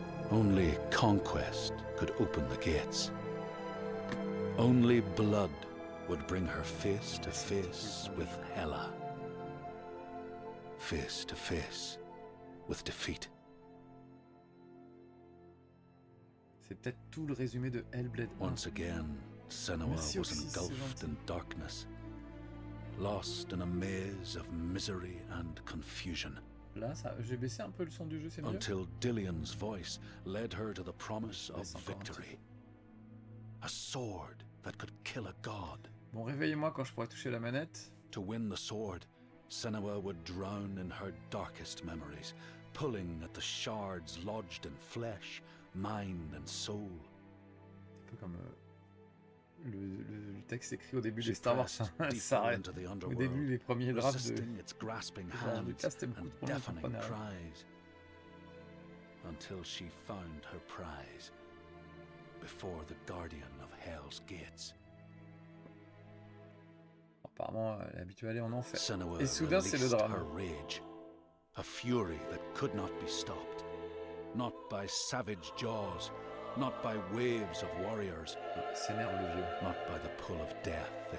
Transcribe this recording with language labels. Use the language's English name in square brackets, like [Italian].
[English] Only conquest could open the gates. Only blood would bring her face to face with Hela. Face to face with defeat. [French] C'est peut-être tout le résumé de Hellblade. [English] Once again, Senua was engulfed in darkness, lost in a maze of misery and confusion. [French] Là, ça, j'ai baissé un peu le son du jeu, c'est mieux. [English] Until Dillian's voice led her to the promise of victory. A sword that could kill a god. [French] Bon, réveillez-moi quand je pourrai toucher la manette. [English] To win the sword, Senua would drown in her darkest memories, pulling at the shards lodged in flesh, mind and soul. [French] Un peu comme le texte écrit au début des Star Wars, ça s'arrête au début des premiers drafts de [English] its grasping hands and deafening cries until she found her prize before the guardian of hell's gates. [French] Apparemment elle est habituée à aller en enfer et soudain c'est le drame. [English] Rage, a fury that could not be stopped. Not by savage jaws, not by waves of warriors, not by the pull of death